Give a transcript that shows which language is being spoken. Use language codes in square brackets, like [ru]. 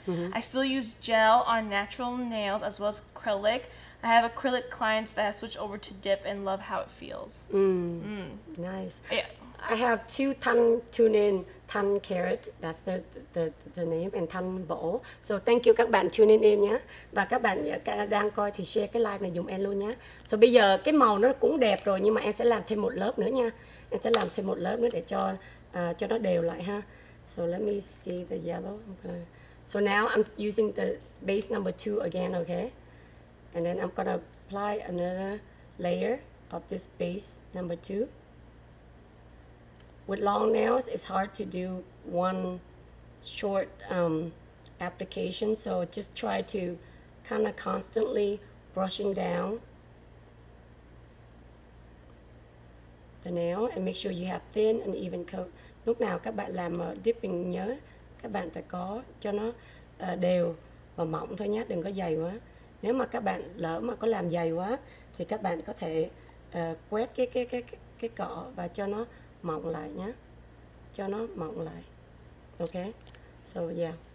[en] Mm-hmm. I still use gel on natural nails as well as acrylic. I have acrylic clients that have switched over to dip and love how it feels. Nice. Yeah. I have two Tan Tune In, Tan Carrot, that's the name, and Tan Bổ. [vi] So [en] thank you [vi] các bạn tune in nhé. Và các bạn đang coi thì share cái live này dùng em luôn nhé. So bây giờ cái màu nó cũng đẹp rồi, nhưng mà em sẽ làm thêm một lớp nữa nha. Em sẽ làm thêm một lớp nữa để cho nó đều lại ha. [en] So let me see the yellow. Okay. So now I'm using the base number 2 again, okay? And then I'm gonna apply another layer of this base number 2. With long nails, it's hard to do one short application. So just try to kind of constantly brushing down the nail and make sure you have thin and even coat. [vi] Lúc nào các bạn làm dipping nhớ, các bạn phải có cho nó đều và mỏng thôi nhé, đừng có dày quá. Nếu mà các bạn lỡ mà có làm dày quá, thì các bạn có thể quét cái cọ và cho nó mỏng lại nhé, cho nó mỏng lại, okay? So yeah,